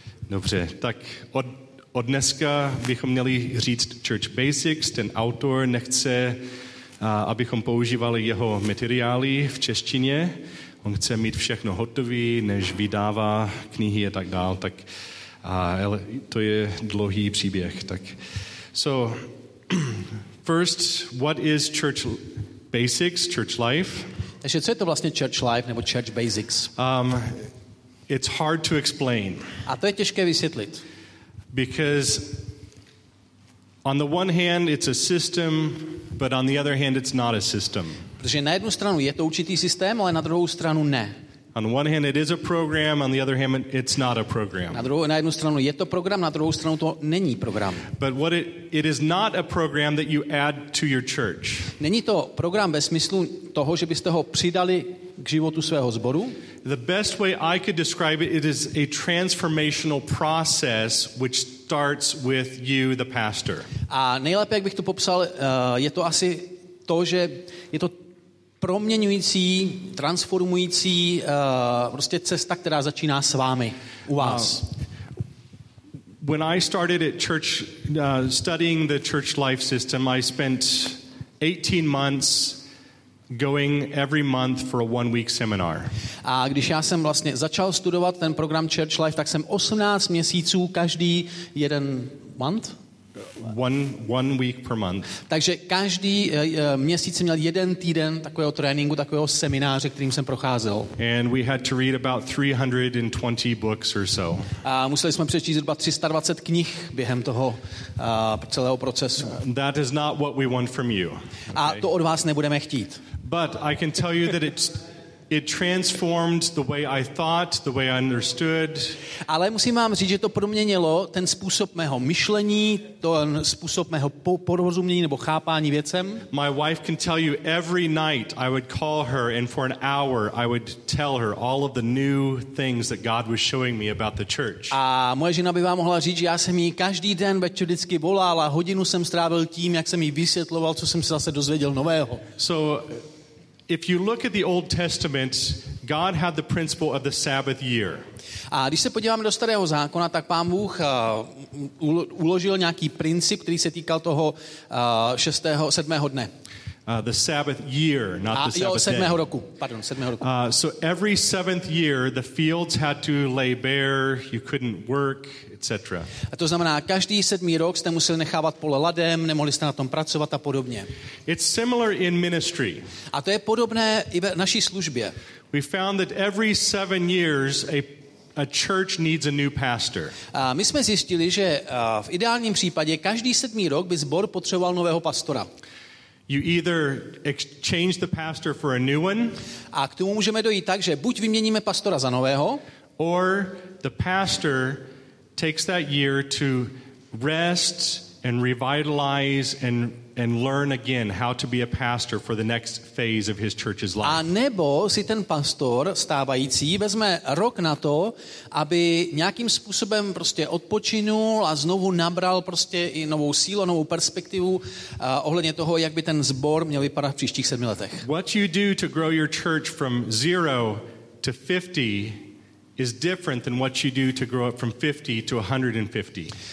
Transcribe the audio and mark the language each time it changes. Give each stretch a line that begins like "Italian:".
Czech: Dobře, tak od dneska bychom měli říct Church Basics, ten autor nechce, abychom používali jeho materiály v češtině. On chce mít všechno hotové, než vydává knihy a tak dál, tak ale to je dlouhý příběh. Tak.
English: So, first, what is Church Basics, Church Life?
Czech: Takže co je to vlastně Church Life nebo Church Basics?
English: It's hard to explain.
Czech: A to je těžké vysvětlit.
English: Because on the one hand it's a system, but on the other hand it's not a system.
Czech: Protože na jednu stranu je to určitý systém, ale na druhou stranu ne.
English: On one hand it is a program, on the other hand it's not a program.
Czech: Na jednu stranu je to program, na druhou stranu to není program.
English: But what it is not a program that you add to your church.
Czech: Není to program ve smyslu toho, že byste ho přidali k životu svého sboru.
English: The best way I could describe it is a transformational process which starts with you, the pastor.
Czech: A nejlépe, jak bych to popsal, je to asi to, že je to proměňující, transformující prostě cesta, která začíná s vámi, u vás.
English: When I started at church, studying the church life system, I spent 18 months going every month for a 1 week seminar.
Czech: A když já jsem vlastně začal studovat ten program Church Life, tak jsem 18 měsíců každý jeden
English: month. One week per month.
Czech: Takže každý měsíc jsem měl jeden týden takového tréninku, takového semináře, kterým jsem procházel.
English: And we had to read about 320 books or so.
Czech: A museli jsme přečíst zhruba 320 knih během toho celého procesu.
English: That is not what we want from you.
Czech: Okay? A to od vás nebudeme chtít.
English: But I can tell you that it transformed the way I thought, the way I understood.
Czech: Ale musím vám říct, že to proměnilo ten způsob mého myšlení, ten způsob mého porozumění nebo chápání věcem.
English: My wife can tell you every night I would call her and for an hour I would tell her all of the new things that God was showing me about the church.
Czech: A moje žena by vám mohla říct, že já jsem jí každý den večer vždycky volal a hodinu jsem strávil tím, jak jsem jí vysvětloval, co jsem se zase dozvěděl nového.
English: So if you look at the Old Testament, God had the principle of the Sabbath year.
Czech: A když se podíváme do Starého zákona, tak Pán Bůh uložil nějaký princip, který se týkal toho sedmého dne.
English: The Sabbath year, not the Sabbath day.
Czech: Sedmého roku.
English: So every seventh year, the fields had to lay bare, you couldn't work, etc.
Czech: A to znamená, každý sedmý rok jste museli nechávat pole ladem, nemohli jste na tom pracovat a podobně.
English: It's similar in ministry.
Czech: A to je podobné i v naší službě.
English: We found that every 7 years a church needs a new pastor.
Czech: A my jsme zjistili, že v ideálním případě každý sedmý rok by sbor potřeboval nového pastora.
English: You either exchange the pastor for a new one.
Czech: A k tomu můžeme dojít tak, že buď vyměníme pastora za nového,
English: or the pastor takes that year to rest and revitalize and learn again how to be a pastor for the next phase of his church's life.
Czech: A nebo si ten pastor stávající vezme rok na to, aby nějakým způsobem prostě odpočinul a znovu nabral prostě i novou sílu, novou perspektivu ohledně toho, jak by ten sbor měl vypadat v příštích 7 letech.
English: What you do to grow your church from 0 to 50 is different than what you do to grow it from 50 to 150.